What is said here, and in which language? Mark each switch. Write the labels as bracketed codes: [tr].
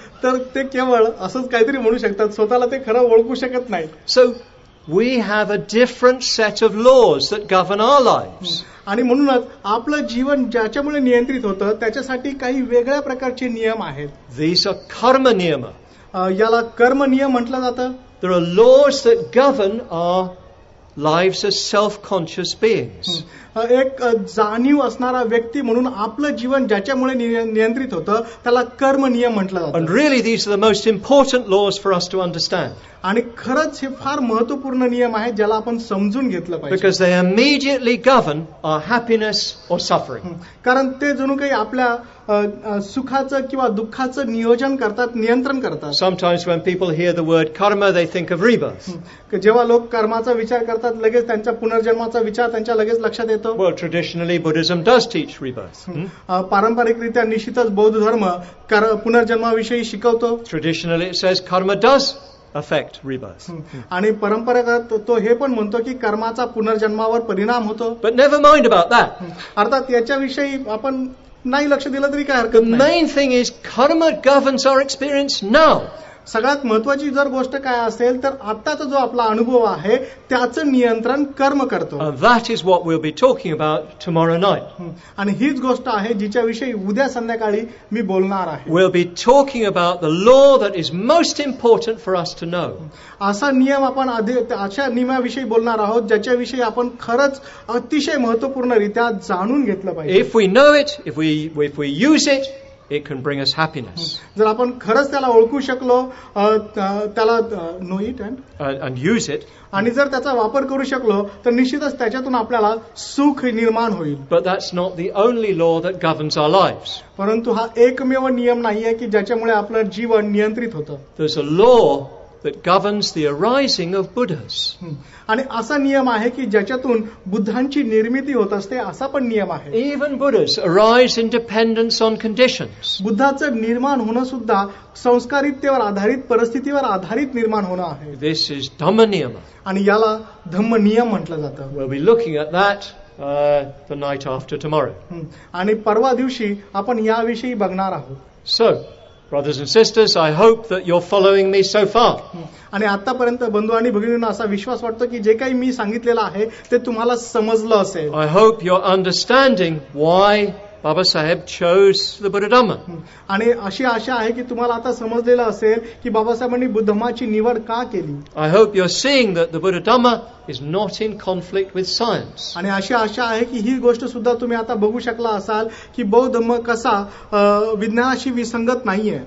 [mr] तर ते केवळ असंच काहीतरी म्हणू शकतात, स्वतःला ते खरं ओळखू शकत नाही. [en] So we have a different set of laws that govern our lives. [mr] आणि म्हणूनच आपलं जीवन ज्याच्यामुळे नियंत्रित होतं त्याच्यासाठी काही वेगळ्या प्रकारचे नियम आहेत. [en] These are karma niyama. [mr] याला कर्म नियम म्हटलं जातं. [en] There are laws that govern our lives as self-conscious beings. [mr] एक जाणीव असणारा व्यक्ती म्हणून आपलं जीवन ज्याच्यामुळे नियंत्रित होतं त्याला कर्म नियम म्हटलं जातं. [en] And really these are the most important laws for us to understand. [mr] आणि खरंच हे फार महत्वपूर्ण नियम आहेत ज्याला आपण समजून घेतलं पाहिजे. [en] Because they immediately govern our happiness or suffering. [mr] कारण ते जणू काही आपल्या सुखाचं किंवा दुःखाचं नियोजन करतात, नियंत्रण करतात. [en] Sometimes when people hear the word karma they think of rebirth. [mr] जेव्हा लोक कर्माचा विचार करतात लगेच त्यांचा पुनर्जन्माचा विचार त्यांच्या लगेच लक्षात येतो. [en] Well, traditionally Buddhism does teach rebirth. [mr] पारंपरिकरित्या निश्चितच बौद्ध धर्म पुनर्जन्माविषयी शिकवतो. [en] Traditionally it says karma does affect rebirth. [mr] आणि परंपरागत तो हे पण म्हणतो की कर्माचा पुनर्जन्मावर परिणाम होतो. [en] But never mind about that. [mr] अर्थात याच्याविषयी आपण नाही लक्ष दिलं तरी काय हरकत. [en] The main thing is karma governs our experience now. [mr] सगळ्यात महत्वाची जर गोष्ट काय असेल तर आत्ताचा जो आपला अनुभव आहे त्याचं नियंत्रण कर्म करतो. [en] That is what we'll be talking about tomorrow night. [mr] आणि हीच गोष्ट आहे जिच्या विषयी उद्या संध्याकाळी मी बोलणार आहे. [en] We'll be talking about the law that is most important for us to know. [mr] असा नियम आपण अशा नियमाविषयी बोलणार आहोत ज्याच्या विषयी आपण खरंच अतिशय महत्वपूर्ण रीत्या जाणून घेतलं पाहिजे. [en] If we know it, if we use it, it can bring us happiness. [mr] जर आपण खरंच त्याला ओळखू शकलो, त्याला [en] know it and use it, [mr] आणि जर त्याचा वापर करू शकलो तर निश्चितच त्याच्यातून आपल्याला सुख निर्माण होईल. [en] But that's not the only law that governs our live. [mr] परंतु हा एकमेव नियम नाही आहे की ज्याच्यामुळे आपलं जीवन नियंत्रित होतं. [en] There's a law that governs the arising of Buddhas. [mr] आणि असा नियम आहे की ज्याच्यातून बुद्धांची निर्मिती होत असते असा पण नियम आहे. [en] Even Buddhas arise in dependence on conditions. [mr] बुद्धाचं निर्माण होणं सुद्धा संस्कारित्यावर आधारित, परिस्थितीवर आधारित निर्माण होणं आहे. [en] This is dhamma niyama. [mr] आणि याला धम्म नियम म्हटलं जातं. [en] We'll be looking at that the night after tomorrow. [mr] आणि परवा दिवशी आपण याविषयी बघणार आहोत. [en] So brothers and sisters, I hope that you're following me so far. [mr] आणि आतापर्यंत बंधू आणि भगिनींना असा विश्वास वाटतो की जे काही मी सांगितलेलं आहे ते तुम्हाला समजलं असेल. [en] I hope you're understanding why Baba Sahib chose the Buddha Dhamma. [mr] आणि अशी आशा आहे की तुम्हाला आता समजलेलं असेल की बाबासाहेबांनी बुद्धमाची निवड का केली. [en] I hope you're seeing that the Buddha Dhamma is not in conflict with science. [mr] आणि अशी आशा आहे की ही गोष्ट सुद्धा तुम्ही आता बघू शकला असाल की बौद्ध धम्म कसा विज्ञानाशी विसंगत नाहीये.